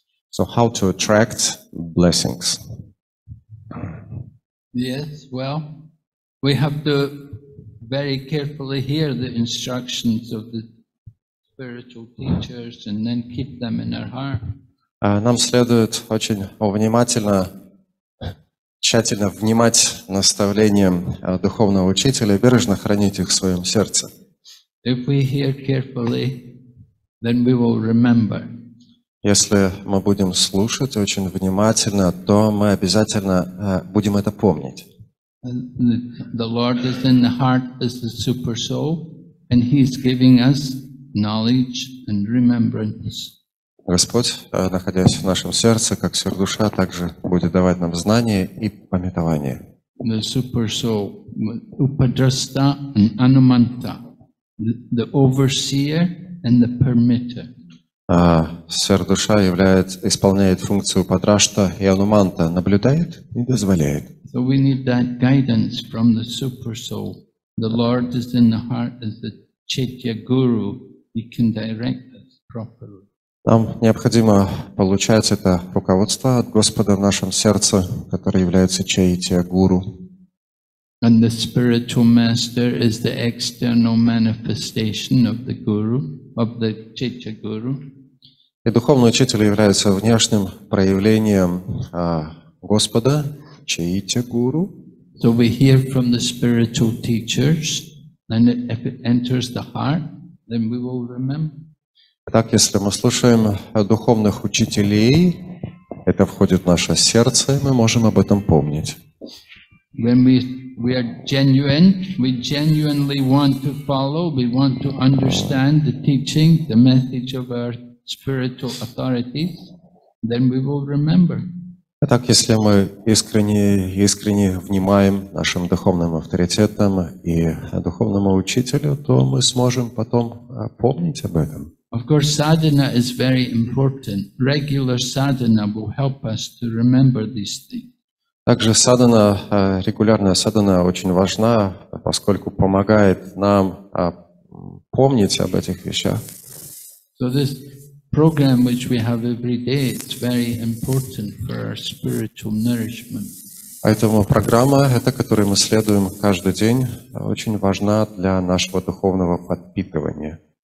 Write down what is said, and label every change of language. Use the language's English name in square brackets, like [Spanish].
[English] So how to attract blessings? Yes, well, we have to very carefully hear the instructions of the spiritual teachers and then keep them in our heart. [Russian] Нам следует очень внимательно, тщательно внимать наставлениям духовного учителя и бережно хранить их в своем сердце. [English] If we hear carefully, then we will remember. [Russian] Если мы будем слушать очень внимательно, то мы обязательно будем это помнить. [English] The Lord is in the heart as the super soul, and He is giving us knowledge and remembrance. [Russian] Господь, находясь в нашем сердце, как сверхдуша, также будет давать нам знания и памятование. [English] The super soul, Upadrasta and Anumanta, the overseer and the permitter. [Russian] Сверхдуша исполняет функцию Упадрашта и Ануманта, наблюдает и дозволяет. [English] So we need that guidance from the super soul. The Lord is in the heart as the Chaitya Guru. He can direct us properly. [Russian] Нам необходимо получать это руководство от Господа в нашем сердце, который является Чаития Гуру. [English] And the spiritual master is the external manifestation of the Guru, of the Chaitya Guru. [Russian] И духовный учитель является внешним проявлением Господа, Чаития Гуру. [English] So we hear from the spiritual teachers, and if it enters the heart, then we will remember. [Russian] Так, если мы слушаем духовных учителей, это входит в наше сердце, и мы можем об этом помнить. [English] When we are genuine, we genuinely want to follow, we want to understand the teaching, the message of our spiritual authorities, then we will remember. [Russian] Итак, если мы искренне внимаем нашим духовным авторитетам и духовному учителю, то мы сможем потом помнить об этом. [English] Of course, sadhana is very important. Regular sadhana will help us to remember these things. [Russian] Также sadhana, регулярная sadhana очень важна, поскольку помогает нам помнить об этих вещах. [English] So this program which we have every day is very important for our spiritual nourishment. [Russian] Поэтому программа, эта, которую мы следуем каждый день, очень важна для нашего духовного подпитывания.